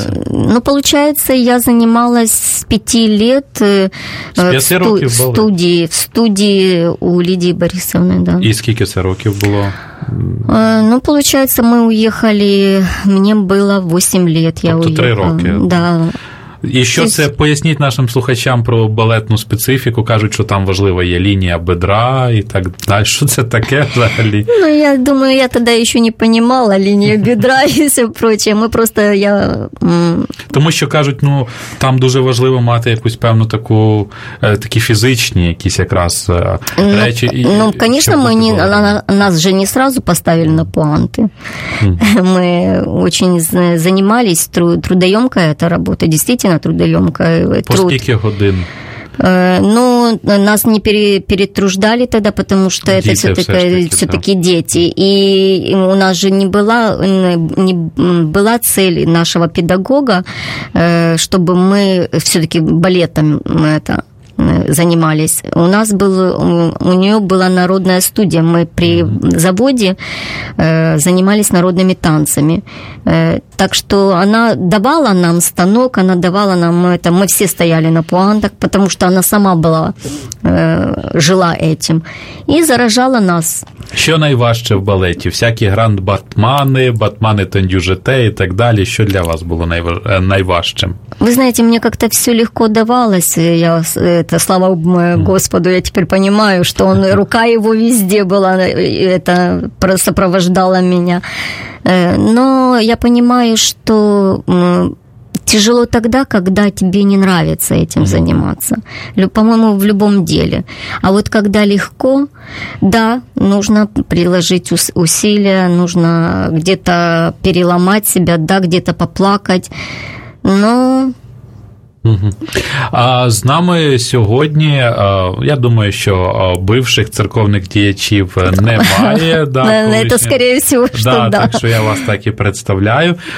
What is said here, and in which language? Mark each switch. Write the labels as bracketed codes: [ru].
[ru] Ну, получается, я занималась с 5 лет в студии у Лидии Борисовны. Да. И сколько это років было? Ну, получается, мы уехали, мне было 8 лет, я уехала. [uk] 3 роки. [ru] Да. [uk] І що це, поясніть нашим слухачам про балетну специфіку, кажуть, що там важлива є лінія бедра і так далі, що це таке взагалі? Ну, я думаю, я тоді ще не розуміла лінію бедра і все прочее, ми просто, я... Тому що кажуть, ну, там дуже важливо мати якусь певну таку, такі фізичні якісь якраз речі. Ну, звісно, нас же не сразу поставили на пуанти. Ми дуже займалися трудоємкою, ця робота, дійсно, [ru] на трудоемкой труд. [uk] По скільки годин? [ru] Ну, нас не перетруждали тогда, потому что дети, это все-таки да. Дети. И у нас же не была цель нашего педагога, чтобы мы все-таки балетом это занимались. У нас было, у нее была народная студия. Мы при заводе занимались народными танцами. Так что она давала нам станок, она давала нам это. Мы все стояли на пуантах, потому что она сама была, жила этим. И заражала нас. [uk] Що найважче в балеті? Всякі гранд-батмани, батмани тендюжете і так далі. Що для вас було найважчим? Ви знаєте, мені як-то все легко давалось. Я, это, слава Господу, я тепер розумію, що он, рука його везде була, это, сопровождала мене. Но я розумію, що... [ru] Тяжело тогда, когда тебе не нравится этим заниматься. По-моему, в любом деле. А вот когда легко, да, нужно приложить усилия, нужно где-то переломать себя, да, где-то поплакать, но... [uk] А з нами сьогодні, я думаю, що бывших церковних діячів немає. [ru] Да, это, скорее всего, что да. [uk] Так що я вас так і представляю.